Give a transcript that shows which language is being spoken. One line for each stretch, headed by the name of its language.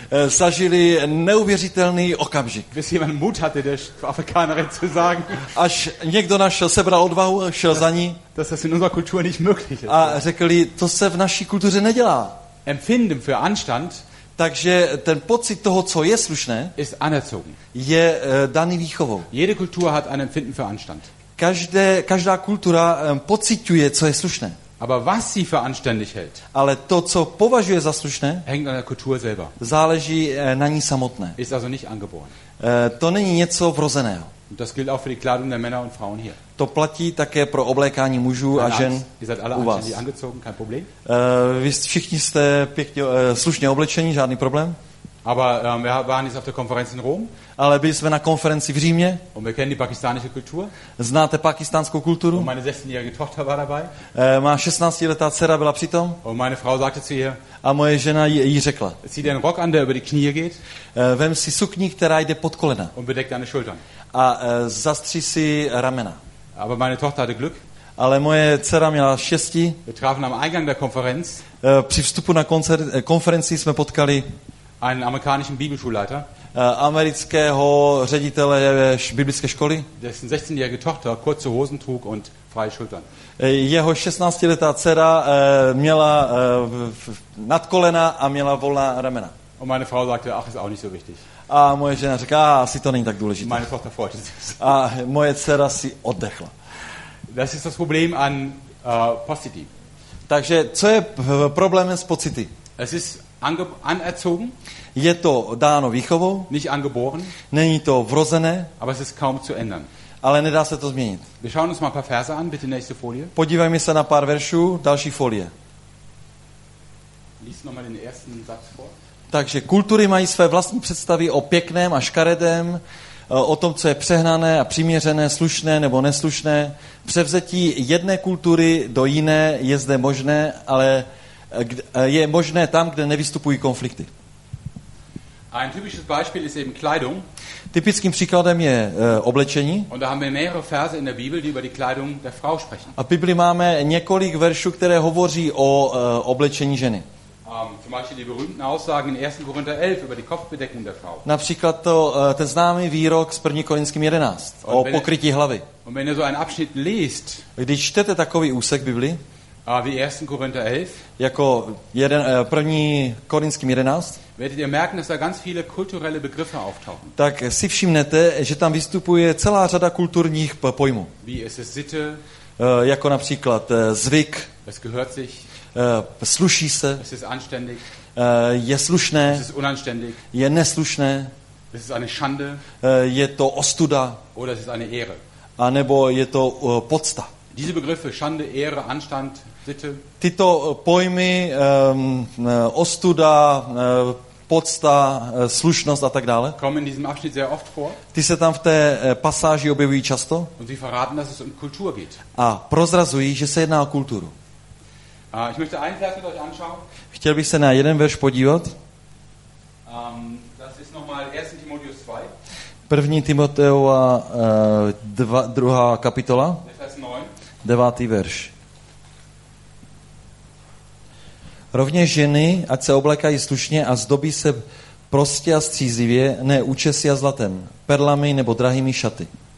Czech: Zažili neuvěřitelný okamžik.
German: Bis jemand Mut hatte, der Afrikanerin zu sagen.
Czech: Až někdo našel, sebral odvahu, šel za ní.
German: Das ist in unserer Kultur nicht möglich.
Czech: A řekli, to se v naší kultuře nedělá.
German: Empfinden für Anstand.
Czech: Takže ten pocit toho, co je slušné,
German: ist anerzogen.
Czech: Je daný výchovou.
German: Jede Kultur hat ein Empfinden für Anstand.
Czech: Každá kultura pociťuje, co je slušné.
German: Aber was sie für anständig hält,
Czech: ale to, co považuje za slušné,
German: hängt an der Kultur selber.
Czech: Záleží na ní samotné.
German: Ist also nicht angeboren.
Czech: To není něco vrozeného.
German: Das gilt auch für die Kleidung der Männer und Frauen hier.
Czech: To platí také pro oblékání mužů a žen u vás.
German: Angezogen, kein Problem.
Czech: Vy všichni jste pěkně, slušně oblečení, žádný problém?
German: Aber wir waren jetzt auf der Konferenz in Rom.
Czech: Ale byli jsme na konferenci v Římě.
German: Und wir kennen die pakistanische Kultur.
Czech: Znáte pakistánskou kulturu?
German: Und meine 16-jährige Tochter war dabei.
Czech: Má 16-letá dcera byla přitom.
German: Und meine Frau sagte zu ihr.
Czech: A moje žena jí řekla.
German: Zieh den Rock an, der über die Knie geht.
Czech: Vem si sukni, která jde pod kolena.
German: Und bedeck deine Schultern.
Czech: A zastři si ramena.
German: Aber meine Tochter hatte Glück.
Czech: Ale moje dcera měla štěstí.
German: Wir trafen am Eingang der Konferenz.
Czech: Při vstupu na konferenci jsme potkali
German: einen amerikanischen Bibelschulleiter.
Czech: Amerického ředitele biblické školy.
German: Dessen 16-jährige Tochter kurze Hosen trug und freie Schultern.
Czech: Jeho 16-letá dcera měla nad kolena a měla volná ramena.
German: Und meine Frau sagte, ach, ist auch nicht so wichtig.
Czech: A moje žena řekla, asi to není tak důležité.
German: Meine Tochter freut sich.
Czech: A moje dcera si oddechla.
German: Das ist das Problem an
Czech: Pocity. Takže co je problémem s pocity?
German: Es ist anerzogen.
Czech: Je to dáno výchovou.
German: Nicht angeboren.
Czech: Není to vrozené.
German: Aber es ist kaum zu ändern.
Czech: Ale nedá se to změnit.
German: Wir schauen uns mal ein paar Verse an, bitte nächste Folie.
Czech: Podívejme se na pár veršů, další folie.
German: Lies nochmal den ersten Satz vor.
Czech: Takže kultury mají své vlastní představy o pěkném a škaredém, o tom, co je přehnané a přiměřené, slušné nebo neslušné. Převzetí jedné kultury do jiné je zde možné, ale je možné tam, kde nevystupují konflikty.
German: Ein typisches Beispiel ist eben Kleidung.
Czech: Typickým příkladem je oblečení.
German: Und da haben wir mehrere Verse in der Bibel, die über die Kleidung der Frau sprechen.
Czech: A v Biblii máme několik veršů, které hovoří o oblečení ženy.
German: Zum Beispiel die berühmten Aussagen in 1. Korinther 11 über die Kopfbedeckung der Frau.
Czech: Například to, ten známý výrok z 1. Korinským 11 o pokrytí hlavy.
German: Und wenn ihr so einen Abschnitt liest,
Czech: když čtete takový úsek Bibli,
German: wie 1. Korinther 11,
Czech: jako 1. Korinským 11,
German: werdet ihr merken, dass da ganz viele kulturelle Begriffe auftauchen.
Czech: Tak si všimnete, že tam vystupuje celá řada kulturních pojmů.
German: Wie ist es Sitte?
Czech: Jako například zvyk.
German: Es gehört sich.
Czech: Sluší se.
German: Es ist anständig.
Czech: Je slušné.
German: Es ist unanständig.
Czech: Je neslušné.
German: Es ist eine Schande.
Czech: Je to ostuda.
German: Oder es ist eine Ehre.
Czech: A nebo je to pocta.
German: Diese Begriffe Schande, Ehre, Anstand, Sitte.
Czech: Tyto pojmy ostuda, pocta, slušnost a tak dále.
German: Kommen in diesem Abschnitt sehr oft vor.
Czech: Ty se tam v té pasáži objevují často.
German: Und sie verraten, dass es um Kultur geht.
Czech: A prozrazují, že se jedná o kulturu.
German: Ich möchte einen Vers mit euch anschauen.
Czech: Chtěl bych se na jeden verš podívat.
German: Das ist nochmal 1. Timotheus 2.
Czech: 1. Timoteova 2. kapitola. 9. verš. Rovněž ženy, ať se oblékají slušně a zdobí se prostě a střízivě, ne účesy a zlatem, perlami nebo drahými šaty.